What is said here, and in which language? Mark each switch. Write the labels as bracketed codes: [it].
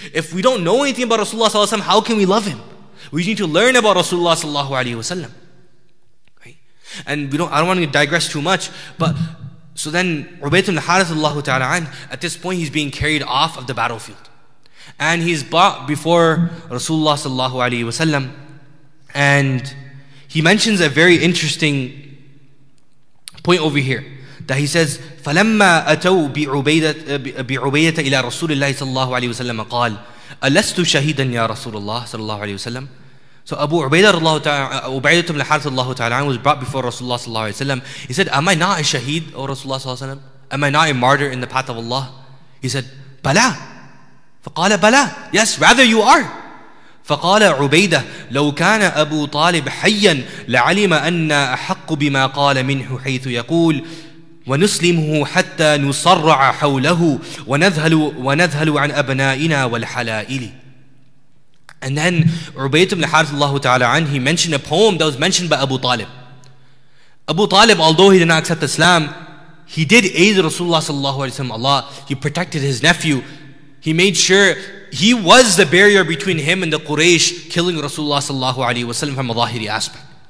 [en] If we don't know anything about Rasulullah sallallahu alaihi wasallam, how can we love him? We need to learn about Rasulullah sallallahu alaihi wasallam. Right? And I don't want to digress too much, but so then Ubayt ibn Harith Allahu ta'ala an, at this point he's being carried off of the battlefield. And he's brought before Rasulullah sallallahu alaihi wasallam. And he mentions a very interesting point over here, that he says, [ar] فَلَمَّا أَتَوْ بِعُبَيْدَةَ إِلَىٰ رَسُولِ اللَّهِ صَلَى اللَّهُ عَلَيْهِ وَسَلَّمَ قَالْ أَلَسْتُ شَهِدًا يَا رَسُولَ اللَّهِ صَلَى اللَّهُ عَلَيْهِ وَسَلَّمَ. [en] So Abu Ubaidah ibn al-Harith Allahu ta'ala was brought before Rasulullah sallallahu alayhi wa sallam. He said, am I not a shaheed, O Rasulullah sallallahu alayhi wa sallam? Am I not a martyr in the path of Allah? He said, [ar] بَلَىٰ. فَقَالَ بَلَىٰ. [en] Yes, rather you are. [ar] فقال عبيدة لو كان أبو طالب حيا لعلم أن أحق بما قال منه حيث يقول ونسلمه حتى نصرع حوله ونذهل عن أبنائنا والحلائل. [en] And then عبيدة بن حارث الله تعالى عنه, he mentioned a poem that was mentioned by Abu Talib. Abu Talib, although he did not accept Islam, he did aid Rasulullah صلى الله عليه وسلم. Allah, he protected his nephew. He made sure he was the barrier between him and the Quraysh killing Rasulullah sallallahu alaihi wasallam from a zahiri aspect.